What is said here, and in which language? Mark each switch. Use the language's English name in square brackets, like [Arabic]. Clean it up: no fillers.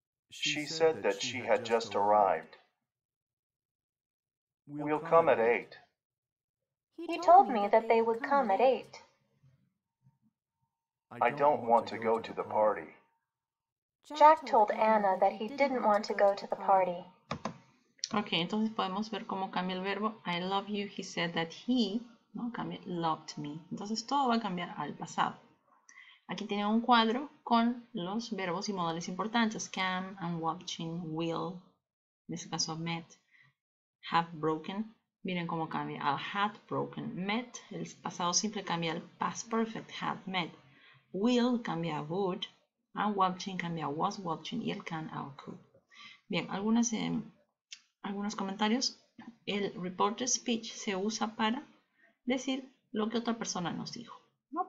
[English] She said that she had just arrived. We'll come at 8. He told me that they would come at 8. I don't want to go to the party. Jack told Anna that he didn't want to go to the party. [Spanish] Ok, entonces podemos ver cómo cambia el verbo. [English] I love you, he said that he, [Spanish] ¿no? Cambia, [English] loved me. [Spanish] Entonces todo va a cambiar al pasado. Aquí tiene un cuadro con los verbos y modales importantes. [English] Can, I'm watching, will, [Spanish] en este caso [English] met, have broken. [Spanish] Miren cómo cambia al had broken. Met, el pasado simple cambia al past perfect, had met. Will cambia a would. I'm watching cambia a was watching. Y el can a could. Bien, algunas... algunos comentarios. El reported speech se usa para decir lo que otra persona nos dijo, ¿no?